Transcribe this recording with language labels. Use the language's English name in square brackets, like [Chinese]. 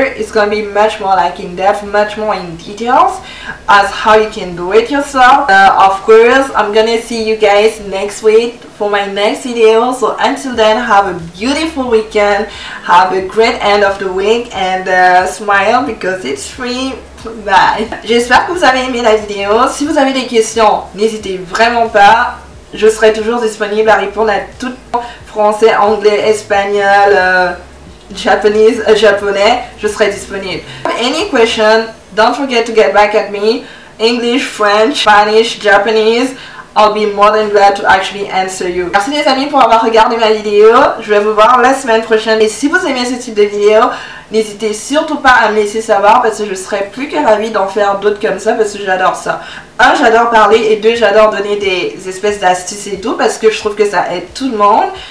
[English] It's gonna be much more like in depth, much more in details as how you can do it yourself. Of course, I'm gonna see you guys next week for my next video. So until then, have a beautiful weekend, have a great end of the week, and smile because it's free. Bye. [French] J'espère que vous avez aimé la vidéo. Si vous avez des questions, n'hésitez vraiment pas. Je serai toujours disponible à répondre à tout, français, anglais, espagnol, japonais. Je serai disponible. [English] If you have any question, don't forget to get back at me. English, French, Spanish, Japanese, I'll be more than glad to actually answer you. [French] Merci les amis pour avoir regardé ma vidéo. Je vais vous voir la semaine prochaine. Et si vous aimez ce type de vidéo, n'hésitez surtout pas à me laisser savoir parce que je serais plus que ravie d'en faire d'autres comme ça parce que j'adore ça. Un, j'adore parler et deux, j'adore donner des espèces d'astuces et tout parce que je trouve que ça aide tout le monde.